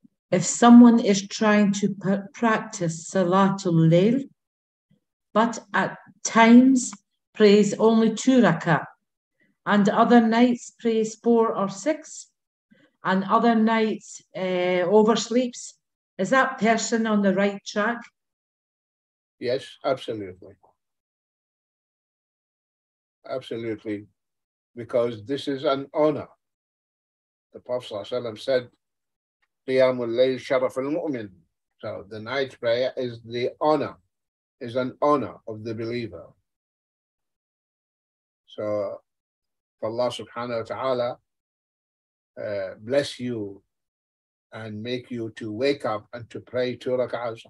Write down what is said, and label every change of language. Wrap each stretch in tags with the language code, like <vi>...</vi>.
<en>If someone is trying to practice Salatul Layl, but at times prays only two rakah, and other nights prays four or six, and other nights oversleeps, is that person on the right track? Yes, absolutely. Absolutely, because this is an honor. The Prophet ﷺ said,</en> <ar>قِيَامُ اللَّيْلِ شَرَفُ الْمُؤْمِنِ.</ar> <en>So the night prayer is the honor, is an honor of the believer. So Allah subhanahu wa ta'ala bless you and make you to wake up and to pray two rak'ahs.</en>